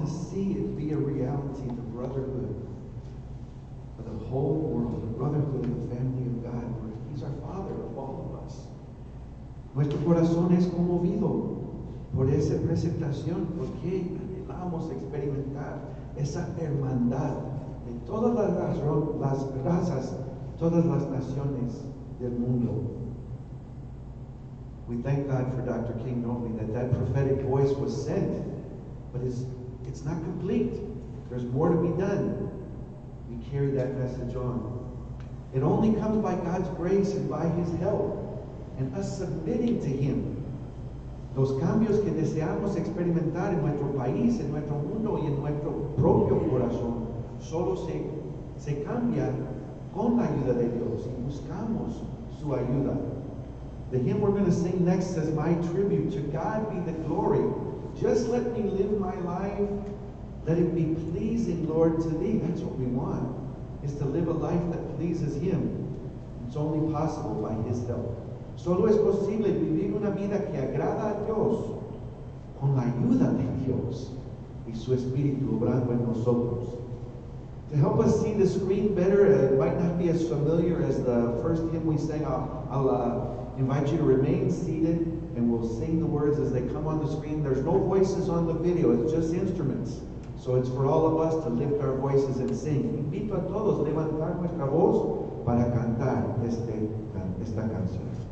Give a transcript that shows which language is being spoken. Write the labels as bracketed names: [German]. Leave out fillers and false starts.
[English] see it be a reality, the brotherhood of the whole world, the brotherhood of the family of God, where He's our Father of all of us. [Spanish] Nuestro corazón es conmovido por esa presentación, porque anhelamos experimentar esa hermandad de todas las razas, todas las naciones del mundo. [English] We thank God for Dr. King Norley, that prophetic voice was sent, but it's not complete. There's more to be done. We carry that message on. It only comes by God's grace and by His help and us submitting to Him. [Spanish] Los cambios que deseamos experimentar en nuestro país, en nuestro mundo y en nuestro propio corazón solo se cambia con la ayuda de Dios y buscamos su ayuda. [English] The hymn we're going to sing next says, "My tribute to God be the glory. Just let me live my life, let it be pleasing, Lord, to Thee." That's what we want, is to live a life that pleases Him. It's only possible by His help. [Spanish] Solo es posible vivir una vida que agrada a Dios con la ayuda de Dios y su Espíritu obrando en nosotros. [English] To help us see the screen better, it might not be as familiar as the first hymn we sang. I'll invite you to remain seated and we'll sing the words as they come on the screen. There's no voices on the video, it's just instruments. So it's for all of us to lift our voices and sing. [Spanish] Invito a todos a levantar nuestra voz para cantar esta canción.